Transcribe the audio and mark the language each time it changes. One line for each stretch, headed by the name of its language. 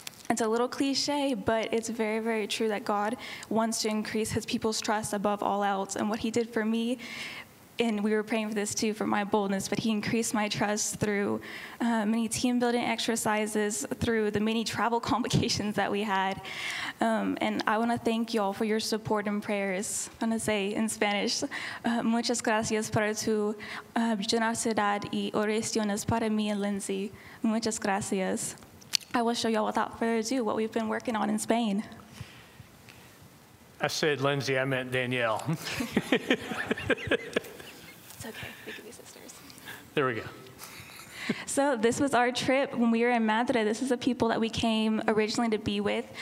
English: It's a little cliche, but it's very, very true that God wants to increase His people's trust above all else. And what He did for me, and we were praying for this too, for my boldness, but He increased my trust through many team building exercises, through the many travel complications that we had. And I want to thank y'all for your support and prayers. I want to say in Spanish,
Spanish: muchas gracias para tu generosidad y oraciones para mí y Lindsay. Muchas gracias.
English: I will show y'all without further ado what we've been working on in Spain. I said Lindsay, I meant Danielle. It's okay, we can be sisters. There we go. So this was our trip when we were in Madrid. This is the people that we came originally to be with.